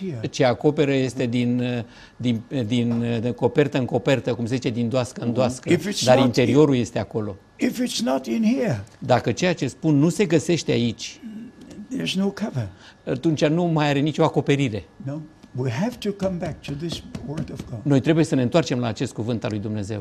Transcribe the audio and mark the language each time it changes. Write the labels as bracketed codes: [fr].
[ro] Ce acoperă este din copertă în copertă, cum se zice, din doască în doască, dar interiorul este acolo. [en] If it's not in here, [ro] dacă ceea ce spun nu se găsește aici, [en] there's no cover. [ro] Atunci nu mai are nicio acoperire. [en] No? We have to come back to this word of God. [ro] Noi trebuie să ne întoarcem la acest cuvânt al lui Dumnezeu.